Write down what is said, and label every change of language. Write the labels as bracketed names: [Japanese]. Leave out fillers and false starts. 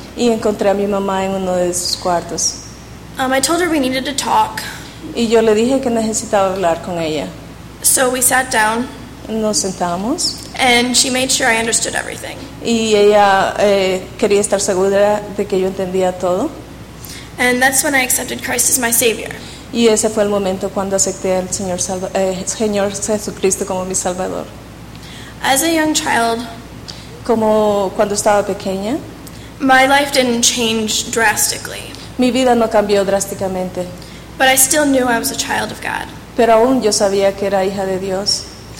[Spanish] Y encontré a mi mamá en uno de sus cuartos. [English] I told her we needed to talk. [Spanish] Y yo le dije que necesitaba hablar con ella. [English] So we sat down. [Spanish] Nos sentamos. [English] And she made sure I understood everything. [Spanish] Y ella quería estar segura de que yo entendía todo. [English] And that's when I accepted Christ as my Savior. [Spanish] Y ese fue el momento cuando acepté al Señor, Señor Jesucristo como mi Salvador. [English] As a young child, [Spanish] como cuando estaba pequeña, [English] my life didn't change drastically. [Spanish] Mi vida no cambió drásticamente. [English] But I still knew I was a child of God. [Spanish] Pero aún yo sabía que era hija de Dios.